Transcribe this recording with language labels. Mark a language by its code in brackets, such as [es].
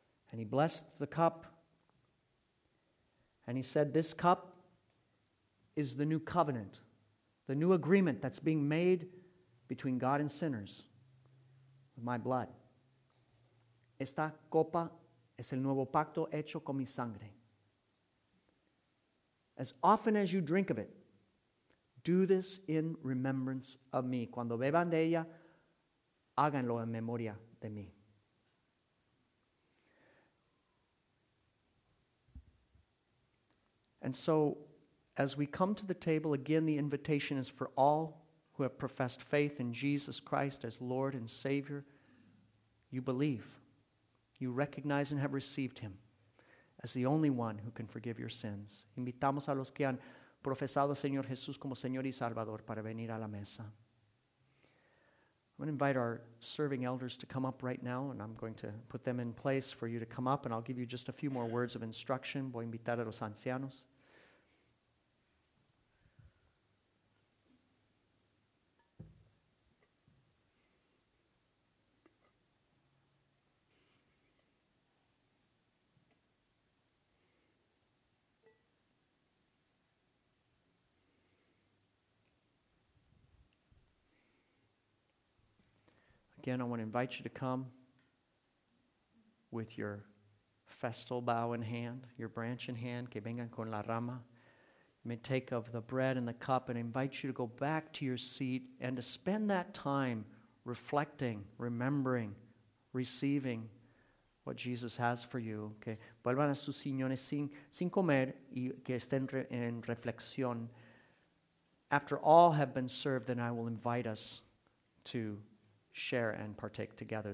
[en] And he blessed the cup. And he said, "This cup is the new covenant, the new agreement that's being made between God and sinners with my blood. [es] Esta copa es el nuevo pacto hecho con mi sangre. [en] As often as you drink of it, do this in remembrance of me." [es] Cuando beban de ella, háganlo en memoria de mí. [en] And so, as we come to the table, again, the invitation is for all who have professed faith in Jesus Christ as Lord and Savior. You believe, you recognize and have received him as the only one who can forgive your sins. [es] Invitamos a los que han profesado al Señor Jesús como Señor y Salvador para venir a la mesa. [en] going to invite our serving elders to come up right now, and I'm going to put them in place for you to come up, and I'll give you just a few more words of instruction. [es] Voy a invitar a los ancianos. [en] Again, I want to invite you to come with your festal bough in hand, your branch in hand, [es] que vengan con la rama. [en] You may take of the bread and the cup and invite you to go back to your seat and to spend that time reflecting, remembering, receiving what Jesus has for you. Okay. [es] Vuelvan a sus señores sin comer y que estén en reflexión. [en] After all have been served, then I will invite us to share and partake together.